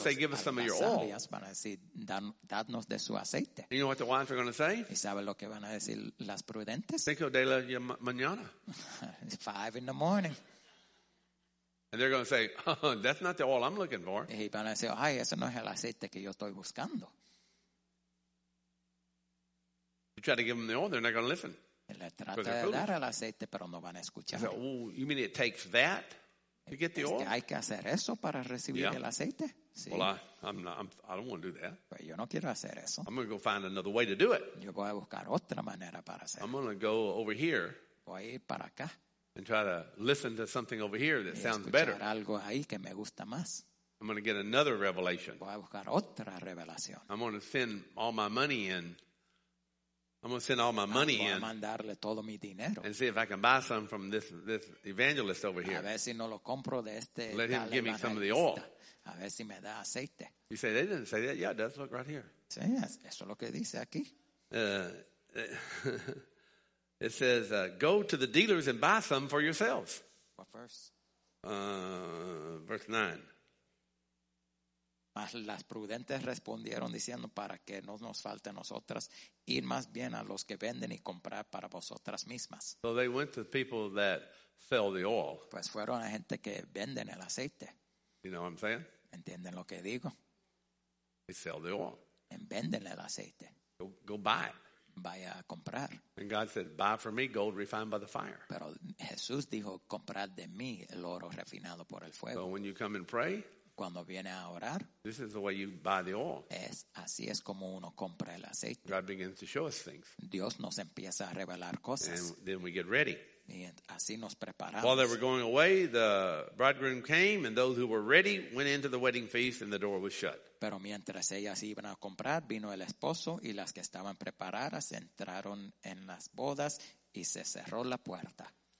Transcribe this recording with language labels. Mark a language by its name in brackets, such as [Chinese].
[English] say, give us some of your oil. [Spanish] Van a decir, dadnos de su aceite. [English] You know what the wise are going to say? [Spanish] ¿Y sabe lo que van a decir las prudentes? Cinco de la mañana. [English] It's 5 a.m. And they're going to say, oh, that's not the oil I'm looking for. [Spanish] Y van a decir, ay, eso no es el aceite que yo estoy buscando. [English] You try to give them the oil, they're not going to listen. [Spanish] Le trata de dar el aceite, pero no van a escuchar. [English] So, you mean it takes that to get the oil? [Spanish] Hay que hacer eso para recibir el aceite. Sí. [English] Well, I don't want to do that. [Spanish] Pues yo no quiero hacer eso. [English] I'm going to go find another way to do it. [Spanish] Yo voy a buscar otra manera para hacerlo. [English] I'm going to go over here. [Spanish] Voy a ir para acá. [English] And try to listen to something over here that sounds better. [Spanish] Escuchar algo ahí que me gusta más. [English] I'm going to get another revelation. [Spanish] Voy a buscar otra revelación. [English] I'm going to send all my money in. I'm going to send all my money in [Spanish] todo mi dinero [English] and see if I can buy some from this evangelist over here. [Spanish] A ver si no lo compro de este. [English] Let him give me some of the oil. [Spanish] A ver si me da aceite. [English] You say they didn't say that. Yeah, that's what right here. [Spanish] Sí, eso es lo que dice aquí. [English] It says, go to the dealers and buy some for yourselves. What verse? Verse 9. [Spanish] Mas las prudentes respondieron diciendo, para que no nos falte a nosotras, ir más bien a los que venden y comprar para vosotras mismas. [English] So they went to the people that sell the oil. [Spanish] Pues fueron a gente que venden el aceite. [English] You know what I'm saying? [Spanish] ¿Entienden lo que digo? [English] They sell the oil. [Spanish] En venden el aceite. [English] Go buy it. [Spanish] Vaya a comprar. [English] And God said, buy for me gold refined by the fire. [Spanish] Pero Jesús dijo, comprad de mí el oro refinado por el fuego. [English] So when you come and pray, [Spanish] cuando viene a orar, [English] this is the way you buy the oil. [Spanish] Así es como uno compra el aceite. [English] God begins to show us things. [Spanish] Dios nos empieza a revelar cosas. [English] And then we get ready. [Spanish] Y así nos preparamos. [English] While they were going away, the bridegroom came, and those who were ready went into the wedding feast, and the door was shut. [Spanish] Pero mientras ellas iban a comprar, vino el esposo, y las que estaban preparadas entraron en las bodas, y se cerró la puerta.